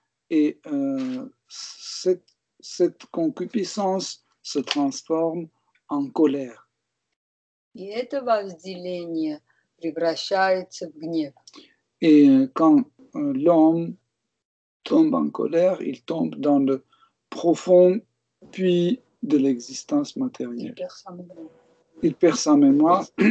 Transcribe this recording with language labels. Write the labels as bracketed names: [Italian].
[French] Et cette concupiscence se transforme en colère. [Russian] И это вожделение превращается в гнев. [French] Et quand l'homme tombe en colère, il tombe dans le profond puits de l'existence matérielle. Il perd sa mémoire.